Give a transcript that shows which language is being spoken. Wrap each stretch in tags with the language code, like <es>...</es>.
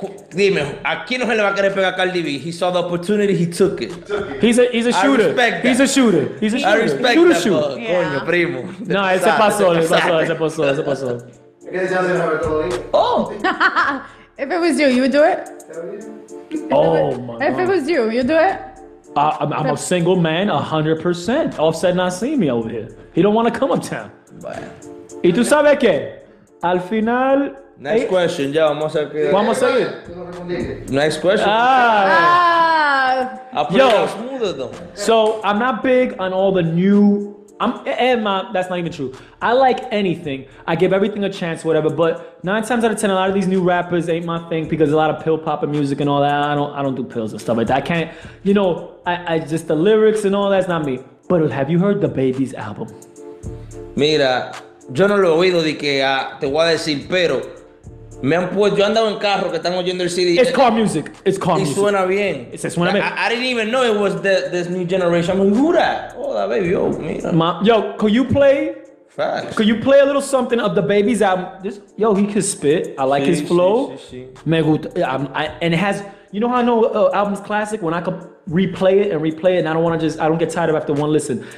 <es>Dime, ¿a quién no se le va a querer pegar Cardi B?</es> <en>He saw the opportunity, he took it. He's a shooter. I respect that. He's a shooter. He's a shooter. I respect shooter, that, shooter.</en> <es>Yeah. Coño, primo. No, nah, se pasó, se pasó, se pasó, se pasó. Oh!</es> <en>If it was you, you would do it? Oh, if my If it was you, you'd do it? I'm a single man, 100%. Offset not seeing me over here. He don't want to come uptown. Bye.</en> <es>¿Y tú sabes qué? Al final...</es> <en>Next question,</en> <es>ya vamos a hacer que... Vamos a seguir.</es> <en>Next question. Ah! Yo, smoother, though. So, I'm not big on all the new... that's not even true. I like anything. I give everything a chance, whatever, but 9 times out of 10, a lot of these new rappers ain't my thing because a lot of pill popping music and all that. I don't do pills and stuff like that. I can't, you know, I just the lyrics and all that's not me. But have you heard DaBaby's album?</en> <es>Mira, yo no lo he oído de que te voy a decir, pero me han puesto, yo andaba en carro que están oyendo el CD.</es> <en>It's car music. It's car music.</en> <es>Y suena bien.</es> <en>It</en> <es>suena bien.</es> <en>I didn't even know it was this new generation. I'm like, who that? Oh, that baby. Yo, mira. Yo, could you play? Facts. Could you play a little something of the baby's album? This, yo, he can spit. I like his flow.</en> <es>Me gusta.</es> <en>And it has, you know how I know album's classic? When I could replay it and replay it, and I don't get tired of after one listen.</en>